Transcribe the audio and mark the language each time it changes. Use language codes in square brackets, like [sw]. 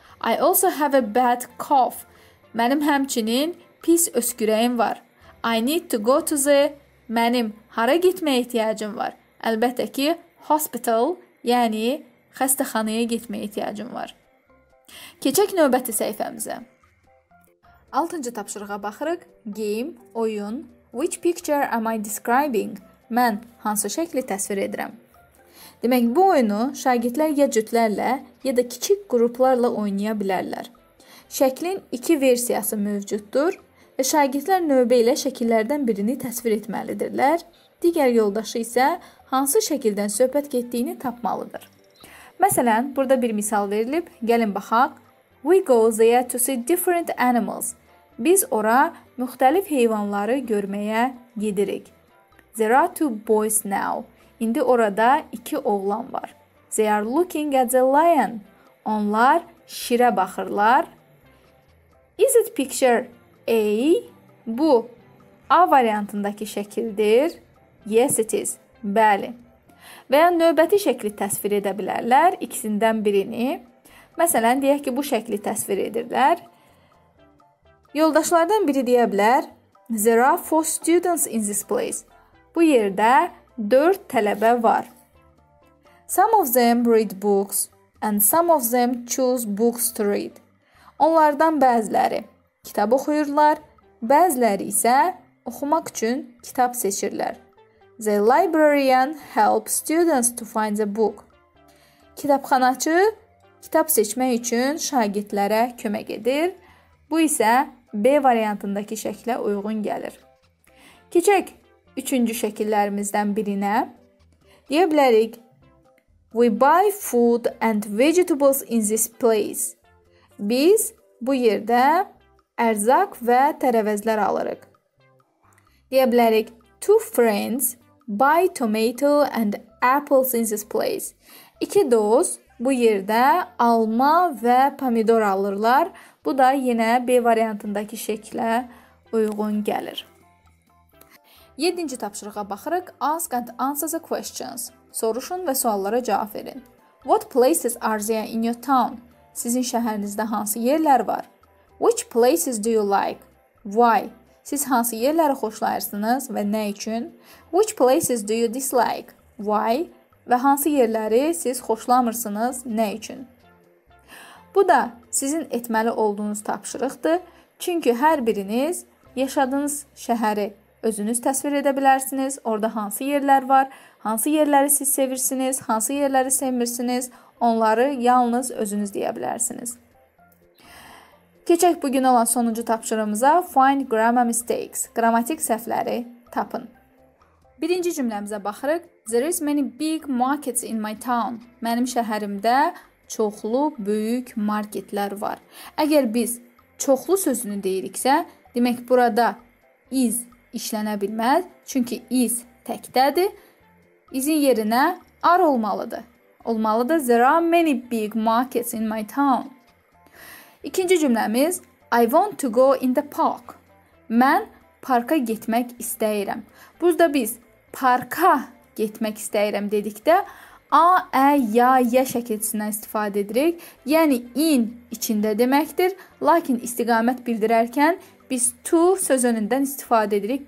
[en] I also have a bad cough. [az] Mənim həmçinin pis öskürəyim var. [en] I need to go to the... [az] Mənim hara getməyə ehtiyacım var. Əlbəttə ki, hospital, yəni xəstəxanaya getməyə ehtiyacım var. Keçək növbəti səhifəmizə. 6-cı tapşırığa baxırıq. Game, oyun. [en] Which picture am I describing? [az] Mən hansı şəkli təsvir edirəm? Demək, bu oyunu şagirdlər ya cütlərlə, ya da kiçik qruplarla oynaya bilərlər. Şəklin iki versiyası mövcuddur və şagirdlər növbə ilə şəkillərdən birini təsvir etməlidirlər. Digər yoldaşı isə hansı şəkildən söhbət getdiyini tapmalıdır. Məsələn, burada bir misal verilib, gəlin baxaq. [en] We go there to see different animals. [az] Biz ora müxtəlif heyvanları görməyə gedirik. [en] There are two boys now. [az] İndi orada iki oğlan var. [en] They are looking at the lion. [az] Onlar şirə baxırlar. [en] Is it picture A? [az] Bu A variantındakı şəkildir. [en] Yes, it is. [az] Bəli. Və ya növbəti şəkli təsvir edə bilərlər ikisindən birini. Məsələn, deyək ki, bu şəkli təsvir edirlər. Yoldaşlardan biri deyə bilər, [en] There are four students in this place. [az] Bu yerdə 4 tələbə var. [en] Some of them read books and some of them choose books to read. [az] Onlardan bəziləri kitab oxuyurlar, bəziləri isə oxumaq üçün kitab seçirlər. [en] The librarian helps students to find the book. [az] Kitabxanaçı kitab seçmək üçün şagirdlərə kömək edir. Bu isə B variantındakı şəklə uyğun gəlir. Keçək üçüncü şəkillərimizdən birinə. Deyə bilərik, [en] We buy food and vegetables in this place. [az] Biz bu yerdə ərzaq və tərəvəzlər alırıq. Deyə bilərik, [en] Two friends buy tomato and apples in this place. [az] İki dost bu yerdə alma və pomidor alırlar. Bu da yenə B variantındakı şəklə uyğun gəlir. 7-ci tapşırığa baxırıq. [en] Ask and answer the questions. [az] Soruşun və suallara cavab verin. [en] What places are there in your town? [az] Sizin şəhərinizdə hansı yerlər var? [en] Which places do you like? Why? [az] Siz hansı yerləri xoşlayırsınız və nə üçün? [en] Which places do you dislike? Why? [az] Və hansı yerləri siz xoşlamırsınız, nə üçün? Bu da sizin etməli olduğunuz tapşırıqdır. Çünki hər biriniz yaşadığınız şəhəri özünüz təsvir edə bilərsiniz. Orada hansı yerlər var, hansı yerləri siz sevirsiniz, hansı yerləri sevmirsiniz, onları yalnız özünüz deyə bilərsiniz. Keçək bugün olan sonuncu tapşırığımıza [en] Find grammar mistakes, [az] qrammatik səhvləri tapın. Birinci cümləmizə baxırıq. [en] There is many big markets in my town. [az] Mənim şəhərimdə çoxlu böyük marketlər var. Əgər biz çoxlu sözünü deyiriksə, demək burada is işlənə bilməz. Çünki is təkdədir. Is-in yerinə are olmalıdır. Olmalıdır. [en] There are many big markets in my town. [az] İkinci cümləmiz. [en] I want to go in the park. [az] Mən parka getmək istəyirəm. Burada biz parka getmək istəyirəm dedikdə a, ə, ya, yə şəkilçisindən istifadə edirik. Yəni, in içində deməkdir. Lakin istiqamət bildirərkən biz to söz önündən istifadə edirik.